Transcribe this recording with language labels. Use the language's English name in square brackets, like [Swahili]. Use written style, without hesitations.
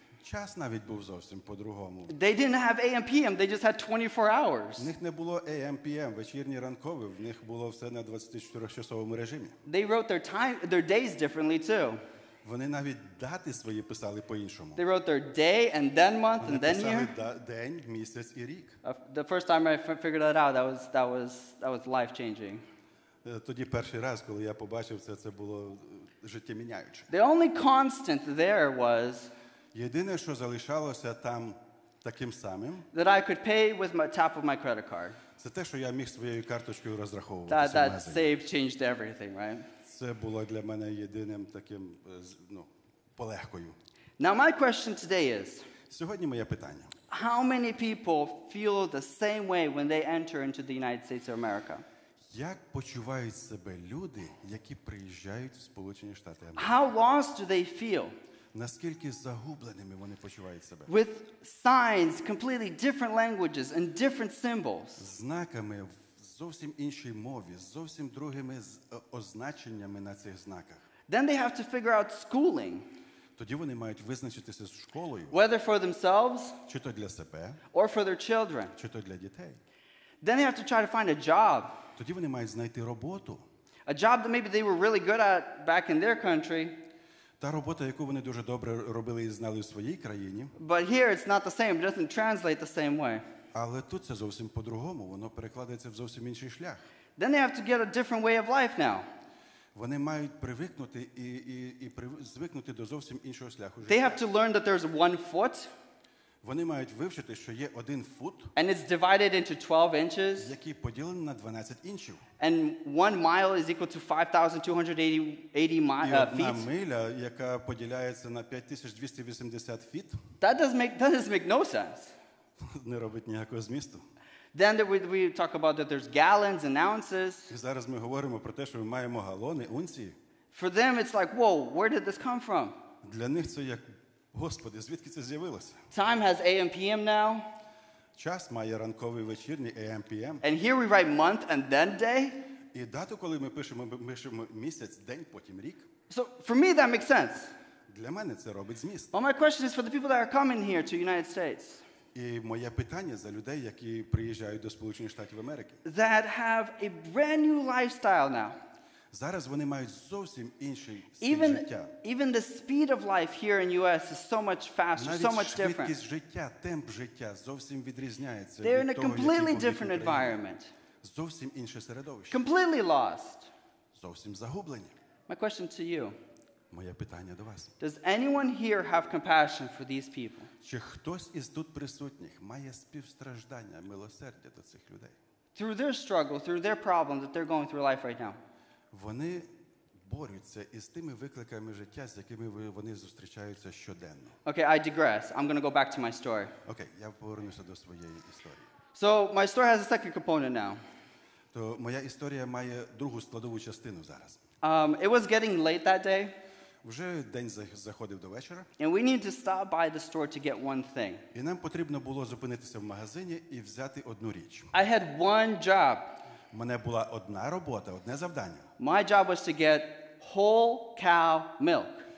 [Ukrainian] Час навіть був зовсім по-другому. [English] They didn't have AM PM, they just had 24 hours. [Ukrainian] В них не було AM PM, вечірні, ранкові, в них було все на 24-часовому режимі. [English] They wrote their time, their days differently too. [Ukrainian] Вони навіть дати свої писали по-іншому. [English] They wrote their day and then month [Ukrainian] вони [English] and then year. [Ukrainian] День, місяць і рік. [English] The first time I figured that out, that was life-changing. [Ukrainian] Тоді перший раз, коли я побачив це було життєміняюче. [English] The only constant there was, [Ukrainian] єдине, що залишалося там таким самим, [English] that I could pay with my tap of my credit card. [Ukrainian] Це те, що я міг своєю карточкою розраховуватися. [English] That save changed everything, right? [Ukrainian] Це було для мене єдиним таким, полегкою. [English] Now my question today is, [Ukrainian] сьогодні моє питання. [English] How many people feel the same way when they enter into the United States of America? [Ukrainian] Як почувають себе люди, які приїжджають в Сполучені Штати Америки? [English] How lost do they feel? [Ukrainian] Наскільки загубленими вони почувають себе? [English] With signs, completely different languages and different symbols. [Ukrainian] Знаками в зовсім іншій мові, зовсім другими означеннями на цих знаках. [English] Then they have to figure out schooling. [Ukrainian] Тоді вони мають визначитися з школою. [English] Whether for themselves, [Ukrainian] чи то для себе, [English] or for their children, [Ukrainian] чи то для дітей. [English] Then they have to try to find a job. [Ukrainian] Тоді вони мають знайти роботу. [English] A job that maybe they were really good at back in their country. [Ukrainian] Та робота, яку вони дуже добре робили і знали в своїй країні. [English] But here it's not the same, it doesn't translate the same way. [Ukrainian] Але тут це зовсім по-другому, воно перекладається в зовсім інший шлях. [English] Then they have to get a different way of life now. [Ukrainian] Вони мають привикнути і звикнути до зовсім іншого шляху життя. [English] They have to learn that there's one foot. [Ukrainian] Вони мають вивчити, що є один фут, [English] and it's divided into 12 inches, [Ukrainian] який поділений на 12 інчів. [English] And 1 mile is equal to 5280 feet. [Ukrainian] Миля, яка поділяється на 5280 feet. [English] That doesn't make no sense. [Ukrainian] Не робить ніякого змісту. [English] Then we talk about that there's gallons and ounces. [Ukrainian] І зараз ми говоримо про те, що ми маємо галони, унції. [English] For them it's like, "Whoa, where did this come from?" [Ukrainian] Для них це як: Господи, звідки це з'явилося? [English] Time has AM PM now. [Ukrainian] Час має ранковий, вечірній AM PM. [English] And here we write month and then day. [Ukrainian] І дату, коли ми пишемо місяць, день, потім рік. [English] So for me that makes sense. [Ukrainian] Для мене це робить зміст. [English] But my question is for the people that are coming here to United States. [Ukrainian] І моє питання за людей, які приїжджають до Сполучених Штатів Америки. [English] That have a brand new lifestyle now. [Ukrainian] Зараз вони мають зовсім інший стиль життя. [English] Even the speed of life here in US is so much faster, [Ukrainian] навіть [English] so much different. [Ukrainian] Навіть швидкість життя, темп життя зовсім відрізняється. [English] They're [Ukrainian] від [English] in a [Ukrainian] того, [English] completely different environment. [Ukrainian] Зовсім інше середовище. [English] Completely lost. [Ukrainian] Зовсім загублені. [English] My question to you. [Ukrainian] Моє питання до вас. [English] Does anyone here have compassion for these people? [Ukrainian] Чи хтось із тут присутніх має співстраждання, милосердя до цих людей? [English] Through their struggle, through their problem that they're going through life right now. [Ukrainian] Вони борються із тими викликами життя, з якими вони зустрічаються щоденно. [English] Okay, I digress. I'm going to go back to my story. [Ukrainian] Okay, я повернуся до своєї історії. [English] So, my story has a second component now. [Ukrainian] То моя історія має другу складову частину зараз. [English] It was getting late that day. [Ukrainian] Вже день заходив до вечора. [English] And we needed to stop by the store to get one thing. [Ukrainian] І нам потрібно було зупинитися в магазині і взяти одну річ. [English] I had one job. [Ukrainian] У мене була одна робота, одне завдання. [English] My job was to get whole cow milk.